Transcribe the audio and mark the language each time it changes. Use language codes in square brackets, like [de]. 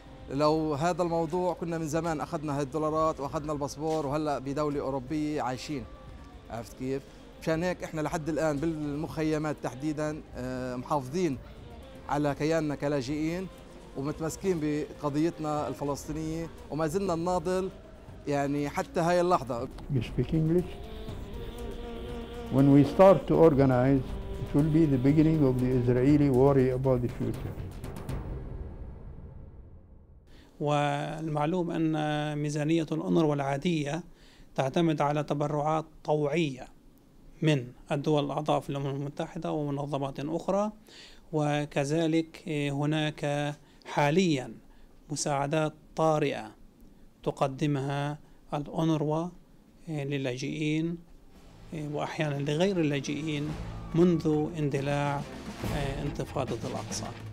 [ar] لو هذا الموضوع كنا من زمان اخذنا هالدولارات واخذنا الباسبور وهلا بدوله اوروبيه عايشين. عرفت كيف؟ مشان هيك احنا لحد الان بالمخيمات تحديدا محافظين على كياننا كلاجئين. ومتمسكين بقضيتنا الفلسطينية وما زلنا نناضل يعني حتى هاي اللحظة. [en] We speak English. When we start to organize, it will be the beginning of the Israeli worry about the future. [ar] والمعلوم أن ميزانية الأونروا العادية تعتمد على تبرعات طوعية من الدول الأعضاء في الأمم المتحدة ومنظمات أخرى، وكذلك هناك حاليا مساعدات طارئة تقدمها الأونروا للاجئين وأحيانا لغير اللاجئين منذ اندلاع انتفاضة الأقصى.